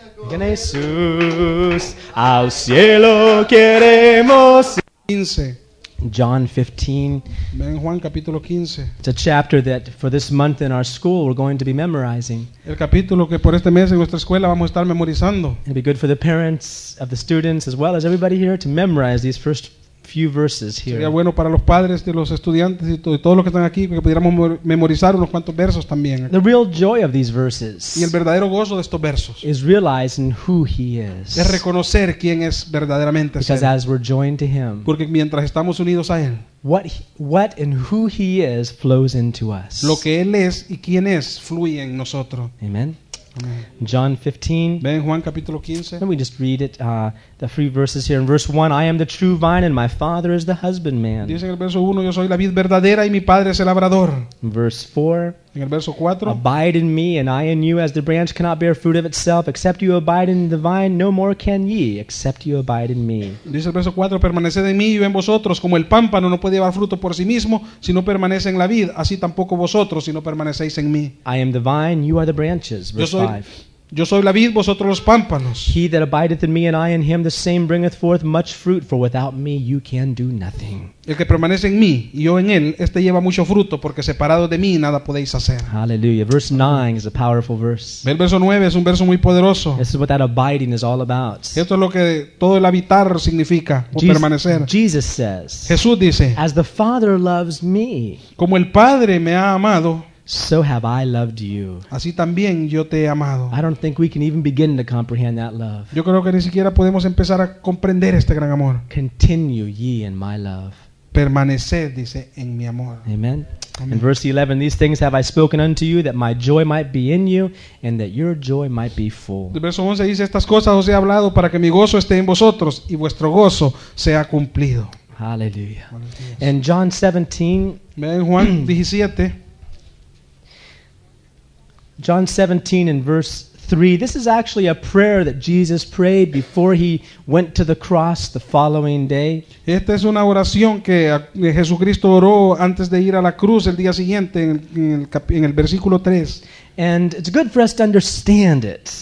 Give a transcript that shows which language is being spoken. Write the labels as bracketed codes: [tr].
[es] En Jesús, al cielo queremos. 15. [en] John 15. [es] Ven Juan capítulo 15. [en] It's a chapter that for this month in our school we're going to be memorizing. [es] El capítulo que por este mes en nuestra escuela vamos a estar memorizando. [en] It'd be good for the parents of the students as well as everybody here to memorize these first few verses here. [es] Sería bueno para los padres de los estudiantes y todos los que están aquí que pudiéramos memorizar unos cuantos versos también. [en] The real joy of these verses. [es] Y el verdadero gozo de estos versos. [en] Is realizing who he is. [es] Es reconocer quién es verdaderamente. [en] Because as we're joined to him. [es] Porque mientras estamos unidos a él. [en] What and who he is flows into us. [es] Lo que él es y quién es fluye en nosotros. [en] Amen. John 15. [es] Ven Juan capítulo 15. [en] Let me just read it, the three verses here. In verse 1, I am the true vine and my father is the husbandman. [es] Dice en el verso 1, yo soy la vid verdadera y mi padre es el labrador. [en] Verse 4. [es] En el verso 4. [en] Abide in me and I in you as the branch cannot bear fruit of itself except you abide in the vine, no more can ye except you abide in me. [es] Dice el verso 4, permaneced en mí y yo en vosotros, como el pámpano no puede llevar fruto por sí mismo si no permanece en la vid, así tampoco vosotros si no permanecéis en mí. [en] I am the vine, you are the branches. Verse 5. [es] Yo soy la vid, vosotros los pámpanos. [en] He that abideth in me and I in him, the same bringeth forth much fruit, for without me you can do nothing. [es] El que permanece en mí y yo en él, este lleva mucho fruto, porque separado de mí nada podéis hacer. [en] Hallelujah. Verse 9 is a powerful verse. [es] El verso 9 es un verso muy poderoso. [en] This is what that abiding is all about. [es] Esto es lo que todo el habitar significa, o permanecer. [en] Jesus says, [es] Jesús dice, [en] as the Father loves me, [es] como el Padre me ha amado, [en] so have I loved you. [es] Así también yo te he amado. [en] I don't think we can even begin to comprehend that love. [es] Yo creo que ni siquiera podemos empezar a comprender este gran amor. [en] Continue ye in my love. [es] Permaneced, dice, en mi amor. [en] Amen. Amen. In verse 11, these things have I spoken unto you, that my joy might be in you, and that your joy might be full. [es] El verso 11 dice, estas cosas os he hablado para que mi gozo esté en vosotros, y vuestro gozo sea cumplido. [en] Hallelujah. In John 17, [es] en Juan 17, [en] John 17 and verse 3. This is actually a prayer that Jesus prayed before he went to the cross the following day. [es] Esta es una oración que Jesucristo oró antes de ir a la cruz el día siguiente en el versículo 3. [en] And it's good for us to understand it.